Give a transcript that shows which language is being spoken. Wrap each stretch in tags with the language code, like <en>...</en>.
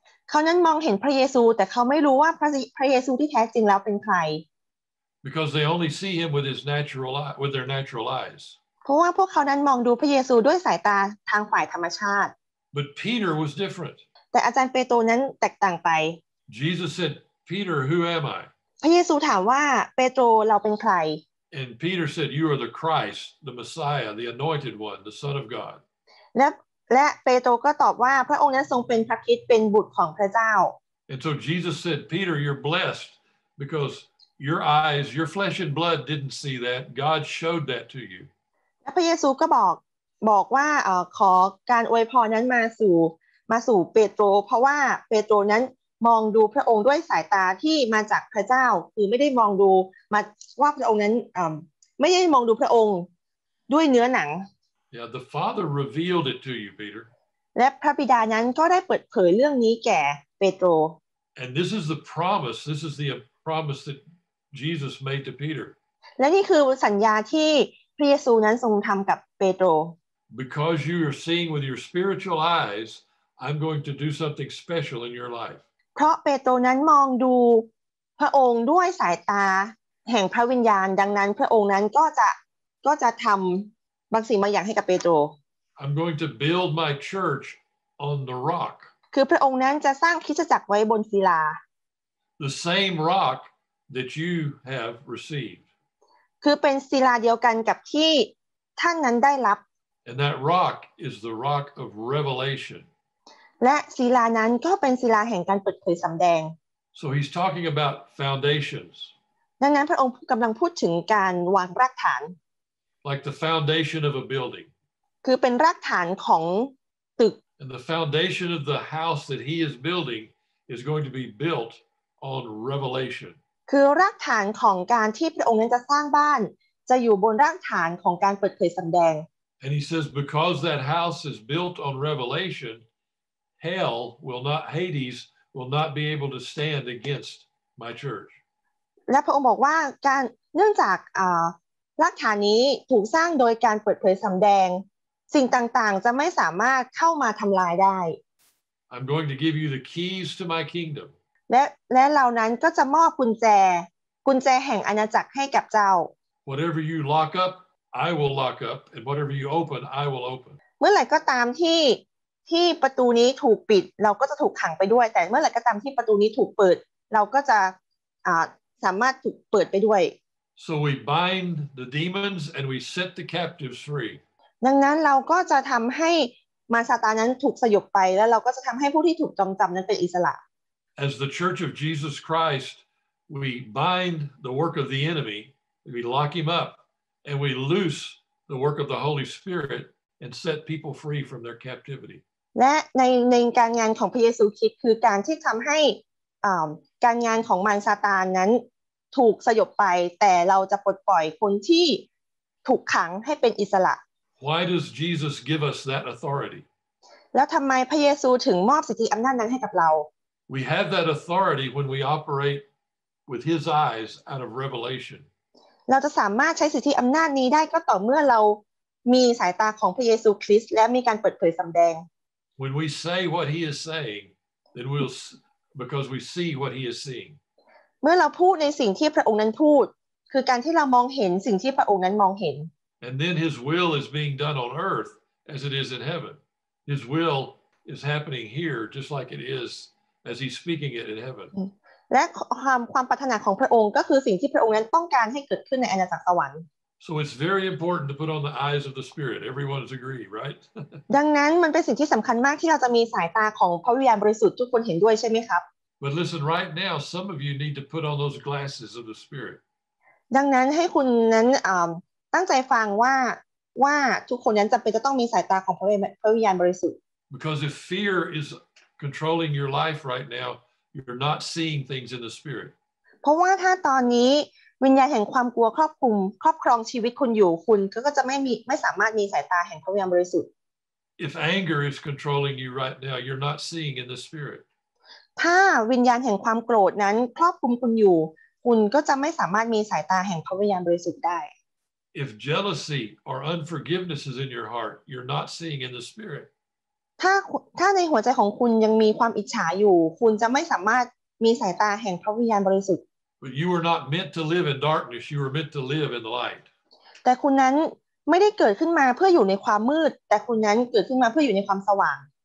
<th>เขานั้นมองเห็นพระเยซูแต่เขาไม่รู้ว่าพระเยซูที่แท้จริงแล้วเป็นใคร</th> <en>Because they only see him with his natural eye, with their natural eyes.</en> <th>เพราะว่าพวกเขานั้นมองดูพระเยซูด้วยสายตาทางฝ่ายธรรมชาติ</th> <en>But Peter was different.</en> <th>แต่อาจารย์เปโตรนั้นแตกต่างไป</th> <en>Jesus said, "Peter, who am I?"</en> <th>พระเยซูถามว่าเปโตรเราเป็นใคร</th> <en>And Peter said, "You are the Christ, the Messiah, the Anointed One, the Son of God."</en> <th>และเปโตรก็ตอบว่าพระองค์นั้นทรงเป็นพระคริสต์เป็นบุตรของพระเจ้า</th> <en>And so Jesus said, "Peter, you're blessed because." Your eyes, your flesh and blood didn't see that. God showed that to you.</en> <th>พระเยซูก็บอกว่าขอการอวยพรนั้นมาสู่เปโตรเพราะว่าเปโตรนั้นมองดูพระองค์ด้วยสายตาที่มาจากพระเจ้าคือไม่ได้มองดูมาว่าพระองค์นั้นไม่ได้มองดูพระองค์ด้วยเนื้อหนัง</th> <en>Yeah, the Father revealed it to you, Peter.</en> <th>และพระบิดานั้นก็ได้เปิดเผยเรื่องนี้แก่เปโตร</th> <en>And this is the promise. This is the promise thatJesus made to Peter.</en> <th>และนี่คือสัญญาที่พระเยซูนั้นทรงทํากับเปโตร</th> <en>Because you are seeing with your spiritual eyes, I'm going to do something special in your life.</en> <th>เพราะเปโตรนั้นมองดูพระองค์ด้วยสายตาแห่งพระวิญญาณดังนั้นพระองค์นั้นก็จะทําบางสิ่งบางอย่างให้กับเปโตร</th> <en>I'm going to build my church on the rock.</en> <th>คือพระองค์นั้นจะสร้างคริสตจักรไว้บนศิลา</th> <en>The same rockthat you have received</en> <th>คือเป็นศิลาเดียวกันกับที่ท่านนั้นได้รับ</th> <en>and that rock is the rock of revelation</en> <th>และศิลานั้นก็เป็นศิลาแห่งการเปิดเผยสําแดง</th> <en>so he's talking about foundations</en> <th>ดังนั้นพระองค์กําลังพูดถึงการวางรากฐาน</th> <en>like the foundation of a building</en> <th>คือเป็นรากฐานของตึก</th> <en>and the foundation of the house that he is building is going to be built on revelation</en> <th>คือรากฐานของการที่พระองค์นั้นจะสร้างบ้านจะอยู่บนรากฐานของการเปิดเผยสำแดง</th> <en>And he says because that house is built on revelation hell will not Hades will not be able to stand against my church</en> <th>และพระองค์บอกว่าการเนื่องจากรากฐานนี้ถูกสร้างโดยการเปิดเผยสำแดงสิ่งต่างๆจะไม่สามารถเข้ามาทำลายได้</th> <en>I'm going to give you the keys to my kingdom</en> <th>และเหล่านั้นก็จะมอบกุญแจแห่งอาณาจักรให้กับเจ้า</th> <en>Whatever you lock up I will lock up and whatever you open I will open</en> <th>เมื่อไหร่ก็ตามที่ประตูนี้ถูกปิดเราก็จะถูกขังไปด้วยแต่เมื่อไหร่ก็ตามที่ประตูนี้ถูกเปิดเราก็จะสามารถถูกเปิดไปด้วย</th> <en>So we bind the demons and we set the captives free</en> <th>ดังนั้นเราก็จะทําให้มารซาตานั้นถูกสยบไปแล้วเราก็จะทําให้ผู้ที่ถูกจองจํานั้นเป็นอิสระ</th> <en>As the Church of Jesus Christ, we bind the work of the enemy, we lock him up, and we loose the work of the Holy Spirit and set people free from their captivity.</en> <th>และในการงานของพระเยซูคริสต์คือการที่ทำให้การงานของมารซาตานนั้นถูกสยบไปแต่เราจะปลดปล่อยคนที่ถูกขังให้เป็นอิสระ</th> <en>Why does Jesus give us that authority?</en> <th>แล้วทำไมพระเยซูถึงมอบสิทธิอำนาจนั้นให้กับเรา</th> <en>We have that authority when we operate with His eyes out of revelation.</en> <th>เราจะสามารถใช้สิทธิอำนาจนี้ได้ก็ต่อเมื่อเรามีสายตาของพระเยซูคริสต์และมีการเปิดเผยสำแดง</th> <en>When we say what He is saying, then we'll because we see what He is seeing.</en> <th>เมื่อเราพูดในสิ่งที่พระองค์นั้นพูดคือการที่เรามองเห็นสิ่งที่พระองค์นั้นมองเห็น</th> <en>And then His will is being done on earth as it is in heaven. His will is happening here just like it is. As he's speaking it in heaven.</en> <th>และความปรารถนาของพระองค์ก็คือสิ่งที่พระองค์นั้นต้องการให้เกิดขึ้นในอาณาจักรสวรรค์</th> <en>So it's very important to put on the eyes of the Spirit. Everyone's agree, right?</en> <th>ดังนั้นมันเป็นสิ่งที่สำคัญมากที่เราจะมีสายตาของพระวิญญาณบริสุทธิ์ทุกคนเห็นด้วยใช่ไหมครับ</th> <en>But listen, right now, some of you need to put on those glasses of the Spirit.</en> <th>ดังนั้นให้คุณนั้นตั้งใจฟังว่าทุกคนนั้นจำเป็นจะต้องมีสายตาของพระวิญญาณบริสุทธิ์</th> <en>Because if fear iscontrolling your life right now you're not seeing things in the spirit</en> <th>เพราะว่าถ้าตอนนี้ วิญญาณแห่งความกลัวครอบคลุมครอบครองชีวิตคุณอยู่คุณก็จะไม่สามารถมีสายตาแห่งพระวิญญาณบริสุทธิ์</th> <en>If anger is controlling you right now you're not seeing in the spirit</en> <th>ถ้าวิญญาณแห่งความโกรธนั้นครอบคลุมคุณอยู่คุณก็จะไม่สามารถมีสายตาแห่งพระวิญญาณบริสุทธิ์ได้</th> <en>If jealousy or unforgiveness is in your heart you're not seeing in the spirit</en> <th>ถ้าในหัวใจของคุณยังมีความอิจฉาอยู่คุณจะไม่สามารถมีสายตาแห่งพระวิญญาณบริสุทธิ์</th> <en>But you were not meant to live in darkness. You were meant to live in the light.</en> <th>แต่คุณนั้นไม่ได้เกิดขึ้นมาเพื่ออยู่ในความมืดแต่คุณนั้นเกิดขึ้นมาเพื่ออยู่ในความสว่าง</th>